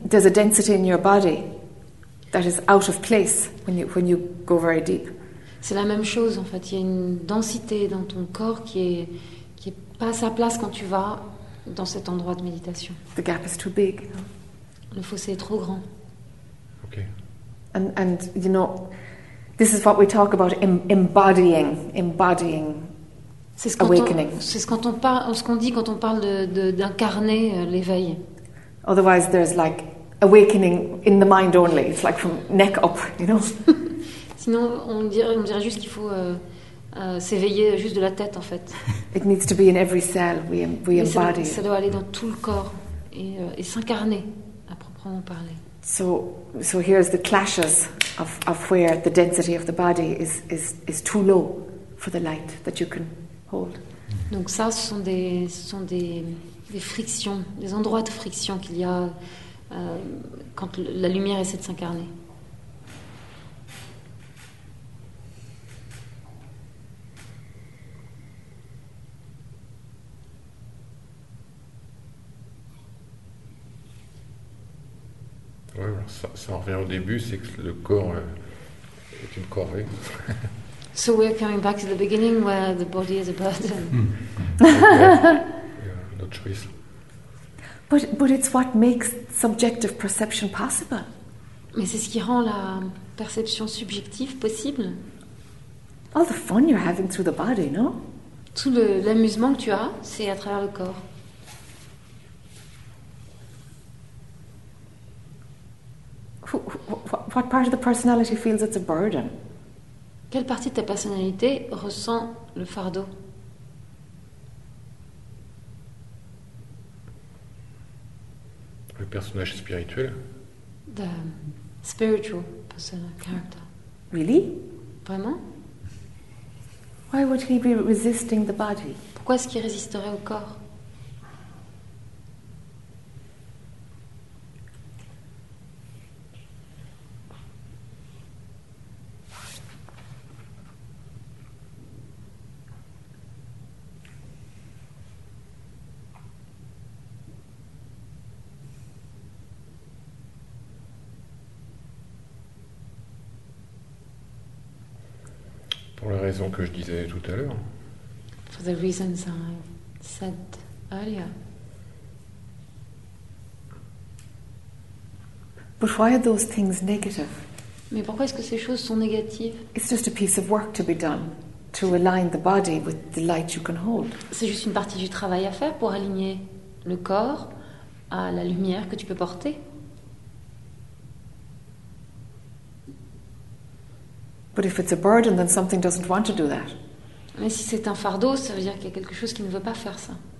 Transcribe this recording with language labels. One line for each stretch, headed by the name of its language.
English: There's a density in your body that is out of place when you go very deep.
French: C'est la même chose en fait, il y a une densité dans ton corps qui est pas à sa place quand tu vas dans cet endroit de méditation.
English: The gap is too big.
French: Le fossé est trop grand.
English: Okay. And you know, this is what we talk about embodying awakening.
French: C'est ce qu'on dit quand on parle d'incarner l'éveil.
English: Otherwise there's like awakening in the mind only. It's like from neck up, you know.
French: Sinon, on dirait juste qu'il faut s'éveiller juste de la tête, en fait.
English: It needs to be in every cell. We embody.
French: Ça doit aller dans tout le corps et s'incarner, à proprement parler.
English: So here's the clashes of where the density of the body is too low for the light that you can hold.
French: Donc ça, ce sont des frictions, des endroits de friction qu'il y a quand la lumière essaie de s'incarner. Ça revient au début, c'est que le corps est une corvée.
English: So we're coming back to the beginning where the body is a burden. Mm. No choice. But it's what makes subjective perception possible.
French: Mais c'est ce qui rend la perception subjective possible.
English: All the fun you're having through the body, no?
French: Tout l'amusement que tu as, c'est à travers le corps.
English: What part of the personality feels it's a burden?
French: Quelle partie de ta personnalité ressent le fardeau? Le personnage spirituel.
English: The spiritual person, character. Really?
French: Vraiment?
English: Why would he be resisting the body?
French: Pourquoi est-ce qu'il résisterait au corps? Pour la raison que je disais tout à l'heure.
English: For the reasons I said earlier. But why are those things negative?
French: Mais pourquoi est-ce que ces choses sont négatives?
English: It's just a piece of work to be done to align the body with the light you can hold.
French: C'est juste une partie du travail à faire pour aligner le corps à la lumière que tu peux porter.
English: But if it's a burden, then something doesn't want to do that.
French: Mais si c'est un fardeau, ça veut dire qu'il y a quelque chose qui ne veut pas faire ça.